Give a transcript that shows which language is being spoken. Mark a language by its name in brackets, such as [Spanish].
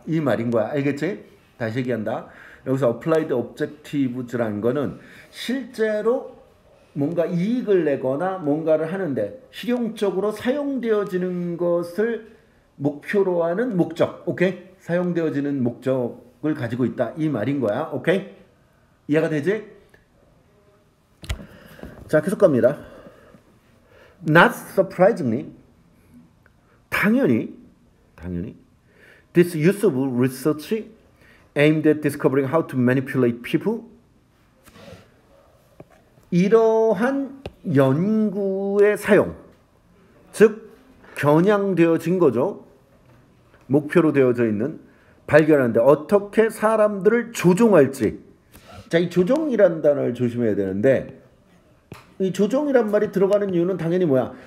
[Korean] 이 말인 거야. 알겠지? 다시 얘기한다. 여기서 Applied Objectives라는 거는 실제로 뭔가 이익을 내거나 뭔가를 하는데 실용적으로 사용되어지는 것을 목표로 하는 목적, 오케이? 사용되어지는 목적을 가지고 있다. 이 말인 거야, 오케이? 이해가 되지? 자, 계속 갑니다. [English] Not surprisingly, [Korean] 당연히, [English] this use of research aimed at discovering how to manipulate people. [Korean] 이러한 연구의 사용, 즉 겨냥되어진 거죠. 목표로 되어져 있는 발견하는데 어떻게 사람들을 조종할지. 자, 이 조종이라는 단어를 조심해야 되는데 이 조종이란 말이 들어가는 이유는 당연히 뭐야?